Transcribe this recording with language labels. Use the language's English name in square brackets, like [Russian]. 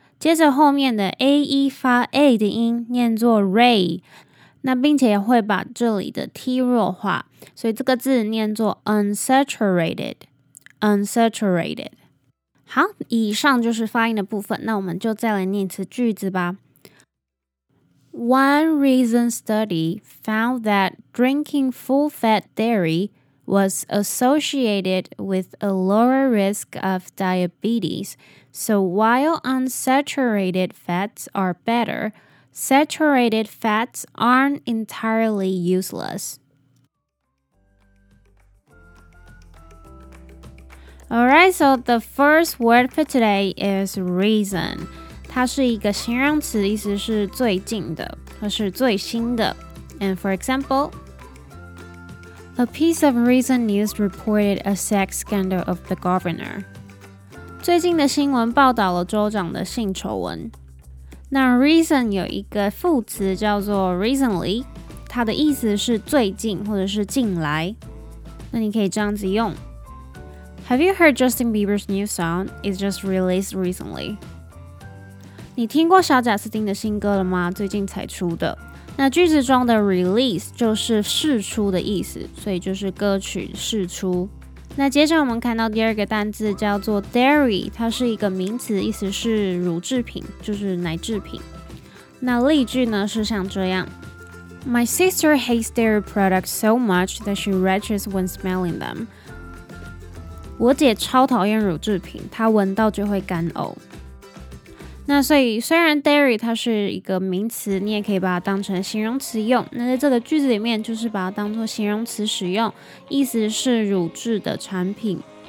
[Chinese] 接着后面的 ae 发 a 的音，念作 ray， 那并且会把这里的 t 弱化，所以这个字念作 unsaturated unsaturated。好，以上就是发音的部分，那我们就再来念一次句子吧。 [English] One recent study found that drinking full-fat dairy was associated with a lower risk of diabetes. So while unsaturated fats are better, saturated fats aren't entirely useless. Alright, so the first word for today is recent. [Chinese] 它是一个形容词，意思是最近的或是最新的。 [English] And for example, a piece of recent news reported a sex scandal of the governor. [Chinese] 最近的新闻报道了州长的性丑闻。那 recent 有一个副词叫做 recently， 它的意思是最近或者是近来，那你可以这样子用。 [English] Have you heard Justin Bieber's new song? It's just released recently. [Chinese] 你听过小贾斯汀的新歌了吗？最近才出的。那句子中的 release 就是释出的意思，所以就是歌曲释出。那接着我们看到第二个单字叫做 dairy， 它是一个名词，意思是乳制品，就是奶制品。那例句呢是像这样， [English] My sister hates dairy products so much that she retches when smelling them. [Chinese] 我姐超讨厌乳制品，她闻到就会干呕。那所以虽然 dairy 它是一个名词，你也可以把它当成形容词用。那在这个句子里面，就是把它当作形容词使用，意思是乳制的产品。